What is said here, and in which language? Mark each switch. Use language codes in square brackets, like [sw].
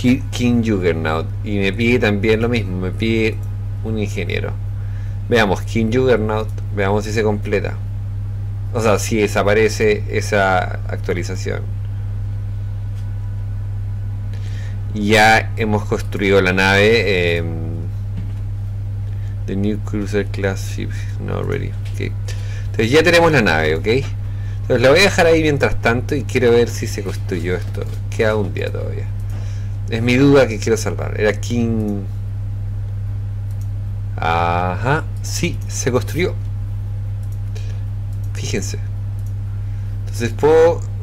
[es] King Juggernaut. Y me pide también lo mismo, me pide un ingeniero. Veamos, King Juggernaut. Veamos si se completa. O sea, si desaparece esa actualización. Ya hemos construido la nave. [en] The new cruiser class ship not ready. Okay. [es] Entonces ya tenemos la nave, ¿ok? Entonces la voy a dejar ahí mientras tanto y quiero ver si se construyó esto. Queda un día todavía. Es mi duda que quiero salvar. Era King. Ajá, sí, se construyó. Fíjense. Entonces puedo